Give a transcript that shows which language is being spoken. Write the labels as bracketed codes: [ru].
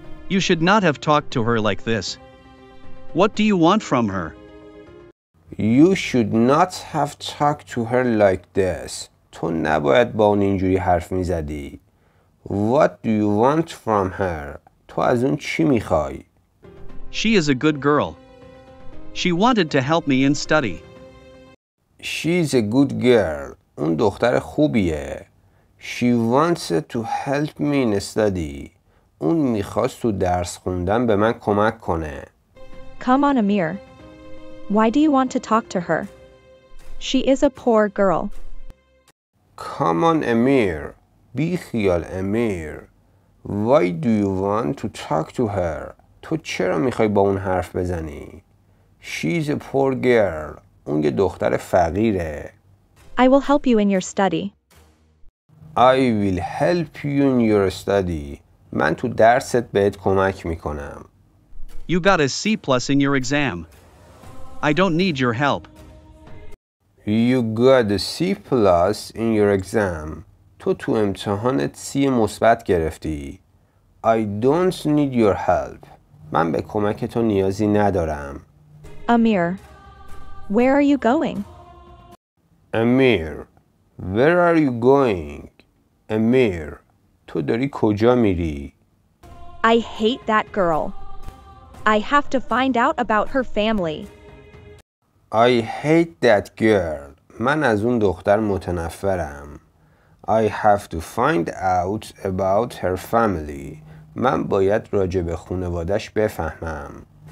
[en] You should not have talked to her like this. What do you want from her? You should not have talked to her like this. [fa] تو نباید با اون اینجوری حرف میزدی. [en] What do you want from her? [fa] تو از اون چی میخوای؟ [en] She is a good girl. She wanted to help me in study. She's a good girl. [fa] اون دختر خوبیه. [en] She wants to help me in study. [fa] اون میخواست تو درس خوندن به من کمک کنه. [en] Come on, Amir. Why do you want to talk to her? She is a poor girl. Come on, Amir. [fa] بی خیال, [en] Amir. Why do you want to talk to her? [fa] تو چرا میخوای با اون حرف بزنی؟ [en] She's a poor girl. [fa] اون یه دختر فقیره. [en] I will help you in your study. I will help you in your study. [fa] من تو درست بهت کمک میکنم. [en] You got a C+ in your exam. I don't need your help. You got a C+ in your exam. [fa] تو امتحانت C مثبت گرفتی. [en] I don't need your help. [fa] من به کمک تو نیازی ندارم. [en] Amir, where are you going? Amir, where are you going? Amir, [fa] تو داری کجا میری؟ [en] I hate that girl. I have to find out about her family. I hate that girl. [fa] من از اون دختر متنفرم. [en] I have to find out about her family. [fa] من باید راجع به خانواده‌اش بفهمم.